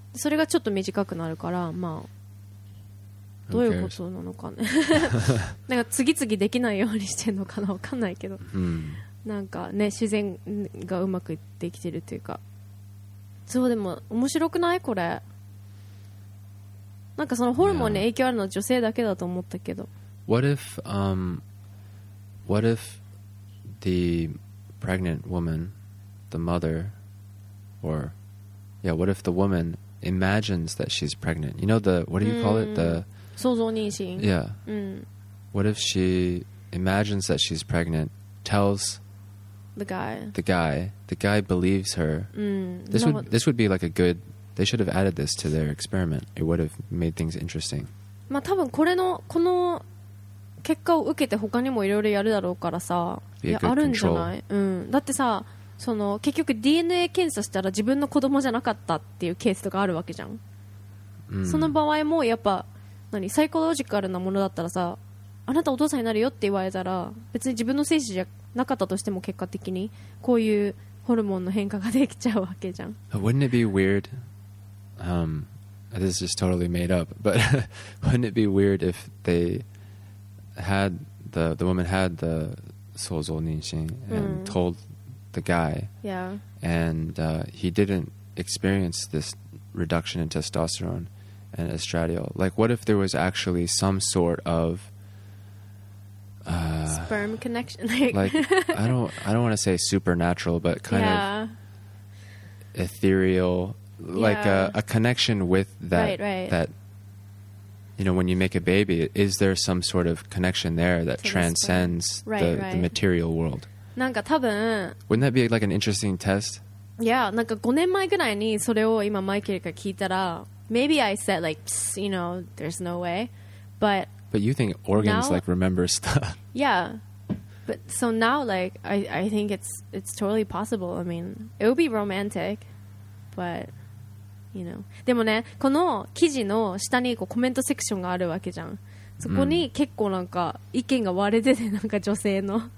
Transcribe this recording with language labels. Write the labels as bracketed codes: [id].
[ja] それがちょっと短くなるから、まあどういうことなのかねなんか次々できないようにしてるのかな、わかんないけど、うん、なんかね自然がうまくできてるというか。そうでも面白くないこれ、なんかそのホルモンに影響あるのは女性だけだと思ったけど、 [en] yeah. What if the pregnant woman, the mother, or yeah, what if the woman imagines that she's pregnant? You know, the what do you call it? The [ja] 想像妊娠. [en] Yeah. What if she imagines that she's pregnant, tells the guy believes her. This would be like a good. They should have added this to their experiment. It would have made things interesting. [ja] まあ多分これのこの結果を受けて他にもいろいろやるだろうからさ、あるんじゃない？うん。だってさ、その結局 DNA 検査したら自分の子供じゃなかったっていうケースとかあるわけじゃん。その場合もやっぱ何サイコロジカルなものだったらさ、あなたお父さんになるよって言われたら別に自分の精子じゃなかったとしても結果的にこういうホルモンの変化ができちゃうわけじゃん。 [en] Wouldn't it be weird? This is totally made up, but wouldn't it be weird if they had the woman had the 想像妊娠 and told the guy, and he didn't experience this reduction in testosterone and estradiol. Like, what if there was actually some sort of sperm connection? Like, I don't want to say supernatural, but kind of ethereal. Like a connection with that, right. You know, when you make a baby, is there some sort of connection there that transcends the material world? [ja] なんか多分 [en] Wouldn't that be like an interesting test? Yeah, なんか5年前ぐらいにそれを今マイケルから聞いたら Maybe I said like, you know, there's no way. But you think organs now, like remember stuff. Yeah. But so now like, I think it's totally possible. I mean, it would be romantic. But, you know. [ja] でもね、この記事の下にこうコメントセクションがあるわけじゃん。そこに結構なんか意見が割れてて、なんか女性の、